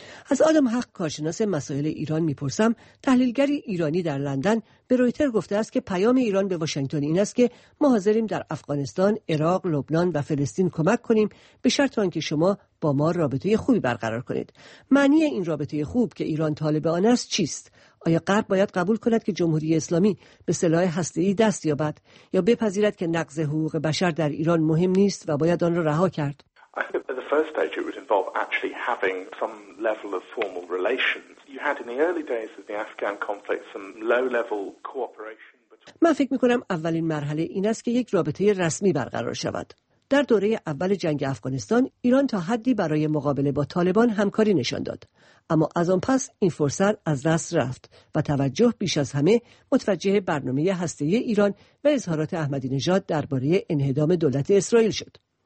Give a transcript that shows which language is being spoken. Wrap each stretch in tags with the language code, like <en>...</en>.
<fa>از آدم حق، کارشناس مسائل ایران، میپرسم. تحلیلگری ایرانی در لندن به رویتر گفته است که پیام ایران به واشنگتن این است که ما حاضریم در افغانستان، عراق، لبنان و فلسطین کمک کنیم به شرط آنکه شما با ما رابطه خوبی برقرار کنید. معنی این رابطه خوب که ایران طالب آن است چیست؟ آیا غرب باید قبول کند که جمهوری اسلامی به سلاح هسته‌ای دست یابد یا بپذیرد که نقض حقوق بشر در ایران مهم نیست و باید آن را رها کرد؟</fa> <en>actually having some level of formal relations. You had in the early days of the Afghan conflict some low-level cooperation.</en> <fa>من فکر می‌کنم اولین مرحله این است که یک رابطه رسمی برقرار شود. در دوره اول جنگ افغانستان، ایران تا حدی برای مقابله با طالبان همکاری نشان داد. اما از آن پس این فرصت از دست رفت و توجه بیش از همه متوجه برنامه هسته‌ای ایران و اظهارات احمدی نژاد درباره انهدام دولت اسرائیل شد.</fa>